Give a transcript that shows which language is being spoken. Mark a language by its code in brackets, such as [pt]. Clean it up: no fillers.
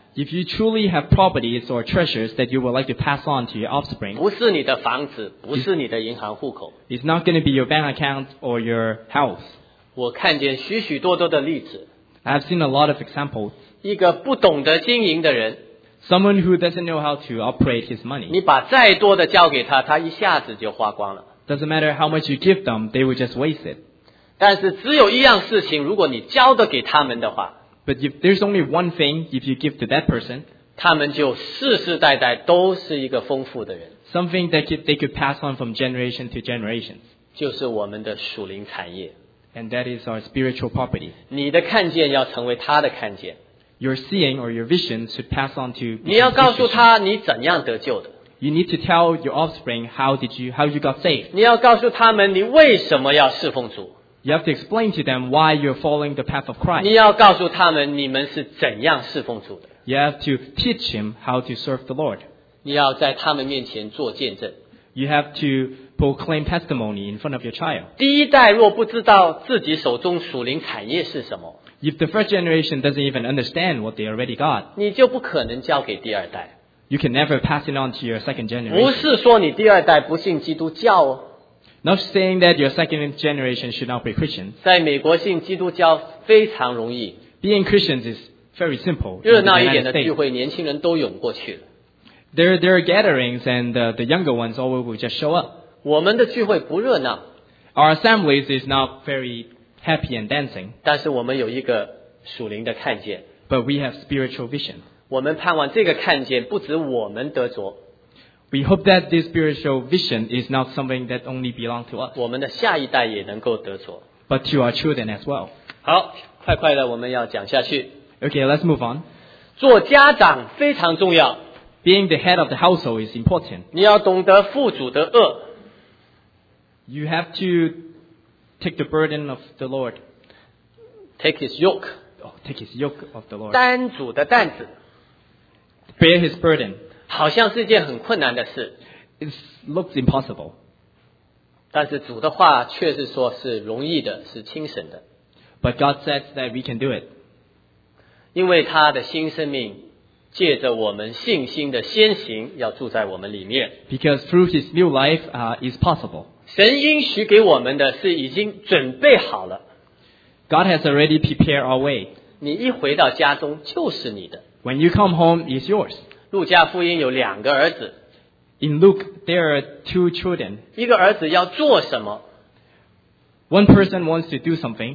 [en] if you truly have properties or treasures that you would like to pass on to your offspring, [zh] 不是你的房子, 不是你的银行户口, [en] it's not going to be your bank account or your house. [zh] 我看见许许多多的例子, [en] I've seen a lot of examples. [zh] 一个不懂得经营的人, [en] someone who doesn't know how to operate his money, [zh] 你把再多的交给他, 他一下子就花光了, [en] doesn't matter how much you give them, they will just waste it. [zh] 但是只有一样事情, 如果你交得给他们的话, [en] but if there's only one thing, if you give to that person, [zh] 他们就世世代代都是一个丰富的人, [en] something that they could pass on from generation to generation, [zh] 就是我们的属灵产业, [en] and that is our spiritual property. [zh] 你的看见要成为他的看见, [en] your seeing or your vision should pass on to, [zh] 你要告诉他你怎样得救的, [en] you need to tell your offspring how you got saved. [zh] 你要告诉他们你为什么要侍奉主, [en] you have to explain to them why you're following the path of Christ. [zh] 你要告诉他们你们是怎样侍奉主的, [en] you have to teach him how to serve the Lord. [zh] 你要在他们面前做见证, [en] you have to proclaim testimony in front of your child. [zh] 第一代若不知道自己手中属灵产业是什么, [en] if the first generation doesn't even understand what they already got, [zh] 你就不可能交给第二代, [en] you can never pass it on to your second generation. [zh] 不是说你第二代不信基督教哦, [en] not saying that your second generation should not be Christians. [zh] 在美国信基督教非常容易, [en] being Christians is very simple. [zh] 热闹一点的聚会, 年轻人都涌过去了, [en] there are gatherings and the younger ones always will just show up. [zh] 我们的聚会不热闹, [en] our assemblies is not very happy and dancing. [zh] 但是我们有一个属灵的看见, [en] but we have spiritual vision. [zh] 我们盼望这个看见不止我们得着, [en] we hope that this spiritual vision is not something that only belongs to us, [zh] 我们的下一代也能够得着, [en] but to our children as well. [zh] 好,快快的我们要讲下去, [en] okay, let's move on. [zh] 做家长非常重要, [en] being the head of the household is important. [zh] 你要懂得父主的轭, [en] you have to take the burden of the Lord, take his yoke, oh, take his yoke of the Lord, [zh] 担主的担子, [en] bear his burden. [zh] 好像是一件很困难的事, [en] it looks impossible, [zh] 但是主的话却是说是容易的, 是轻省的, [en] but God says that we can do it, [zh] 因为他的新生命, 借着我们信心的先行, 要住在我们里面, [en] because through his new life, is possible. [zh] 神应许给我们的是已经准备好了, [en] God has already prepared our way. [zh] 你一回到家中就是你的, [en] when you come home, it's yours. [zh] 路加福音有两个儿子, [en] in Luke, there are two children. [zh] 一个儿子要做什么, [en] one person wants to do something.